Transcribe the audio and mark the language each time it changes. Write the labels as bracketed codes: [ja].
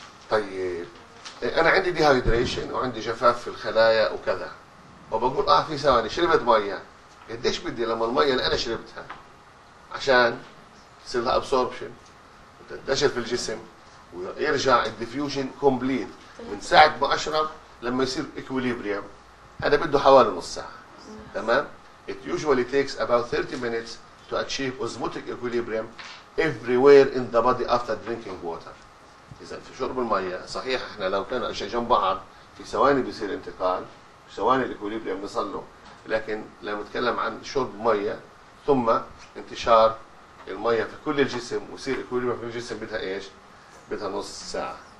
[ar] طيب انا عندي ديهايدريشن وعندي جفاف في الخلايا وكذا، وبقول في ثواني شربت ميه، قديش بدي لما الميه اللي انا شربتها عشان تصير لها ابسوربشن وتنتشر في الجسم ويرجع الديفيوجن كومبليت من ساعه ما اشرب لما يصير اكوليبريم؟ هذا بده حوالي نص ساعه. تمام. [en] It usually takes about 30 minutes to achieve osmotic equilibrium everywhere in the body after drinking water. [ar] اذا في شرب الميه صحيح احنا لو كان اشياء جنب بعض في ثواني بيصير انتقال في ثواني الاكوليبريم بيصل له، لكن لما نتكلم عن شرب ميه ثم انتشار الميه في كل الجسم ويصير اكوليبريم في الجسم بدها ايش؟ بدها نص ساعه.